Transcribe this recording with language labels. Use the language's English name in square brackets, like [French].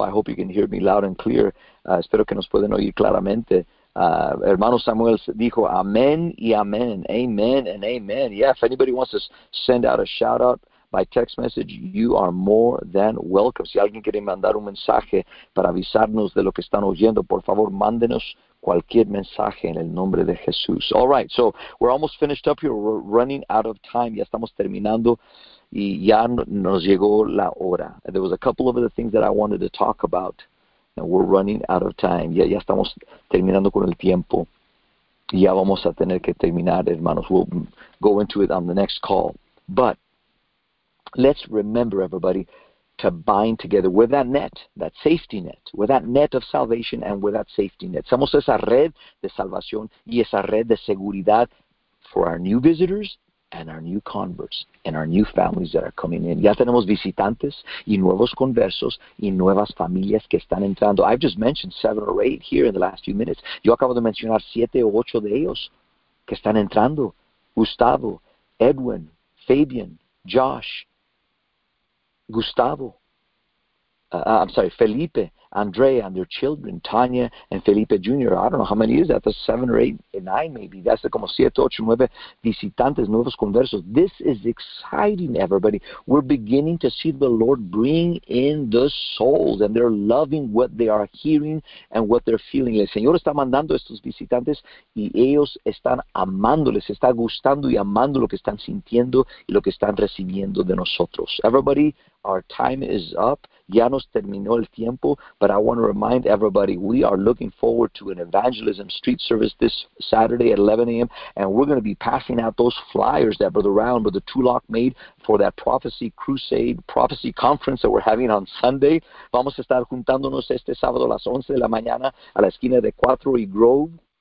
[English] I hope you can hear me loud and clear. [Spanish] Espero que nos pueden oír claramente. Hermano Samuel dijo, amen y amen. [English] Amen and amen. Yeah, if anybody wants to send out a shout out by text message, you are more than welcome. [Spanish] Si alguien quiere mandar un mensaje para avisarnos de lo que están oyendo, por favor, mándenos cualquier mensaje en el nombre de Jesús. [English] All right, so we're almost finished up here. We're running out of time. [Spanish] Ya estamos terminando. Y ya nos llegó la hora. [English] There was a couple of other things that I wanted to talk about, and we're running out of time. [Spanish] Ya estamos terminando con el tiempo. Ya vamos a tener que terminar, hermanos. [English] We'll go into it on the next call. But let's remember, everybody, to bind together with that net, that safety net, with that net of salvation and with that safety net. [Spanish] Somos esa red de salvación y esa red de seguridad [English] for our new visitors and our new converts and our new families that are coming in. [Spanish] Ya tenemos visitantes y nuevos conversos y nuevas familias que están entrando. [English] I've just mentioned 7 or 8 here in the last few minutes. [Spanish] Yo acabo de mencionar 7 o 8 de ellos que están entrando. [English] Gustavo, Edwin, Fabian, Josh, Gustavo, Felipe, Andre and their children, Tanya and Felipe Jr. I don't know how many is that. That's 7 or 8 or 9 maybe. [Spanish] That's como 7, 8, 9 visitantes, nuevos conversos. [English] This is exciting, everybody. We're beginning to see the Lord bring in the souls, and they're loving what they are hearing and what they're feeling. [Spanish] El Señor está mandando estos visitantes y ellos están amando, les está gustando y amando lo que están sintiendo y lo que están recibiendo de nosotros. [English] Everybody, our time is up. [Spanish] Ya nos terminó el tiempo. [English] But I want to remind everybody, we are looking forward to an evangelism street service this Saturday at 11 a.m. And we're going to be passing out those flyers that Brother Round, Brother Tulak made for that prophecy crusade, prophecy conference that we're having on Sunday. [Spanish] Vamos a estar juntándonos este sábado a las 11 de la mañana a la esquina de 4 y Grove.